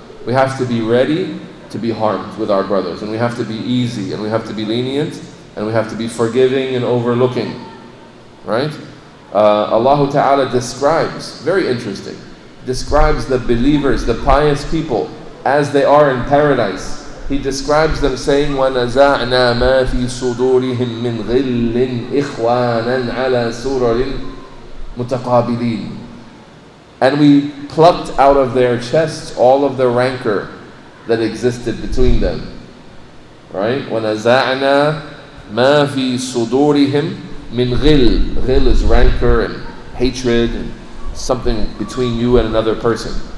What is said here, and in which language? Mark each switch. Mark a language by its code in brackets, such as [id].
[en] We have to be ready to be harmed with our brothers, and we have to be easy, and we have to be lenient, and we have to be forgiving and overlooking. Right? Allah Ta'ala describes, very interesting, describes the believers, the pious people, as they are in paradise. He describes them saying, [ar] وَنَزَعْنَا مَا فِي صُدُورِهِم مِّنْ غِلٍّ إِخْوَانًا عَلَى سُرُرٍ متقابلين. [en] And we plucked out of their chests all of the rancor that existed between them. Right? [ar] وَنَزَعْنَا مَا فِي صُدُورِهِمْ مِنْ غِلٍ. [en] غِل is rancor and hatred and something between you and another person.